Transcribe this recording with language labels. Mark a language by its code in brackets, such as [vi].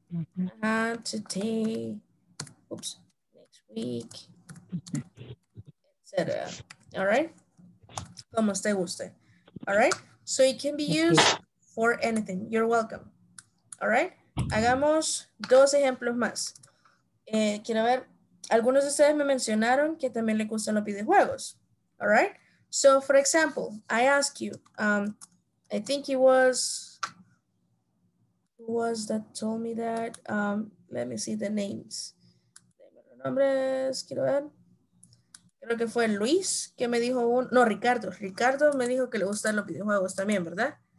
[en] Mm-hmm. Today. Oops. Next week. Etc. All right. [es] Como usted guste. [en] All right. So it can be used for anything. You're welcome. All right. [es] Hagamos dos ejemplos más. Quiero ver. Algunos de ustedes me mencionaron que también le gustan los videojuegos. [en] All right. So, for example, I ask you, I think it was, who was that told me that? Let me see the names. [es] Nombres, quiero ver. Creo que fue Luis que me dijo, Ricardo. Ricardo me dijo que le gustan los videojuegos también, ¿verdad?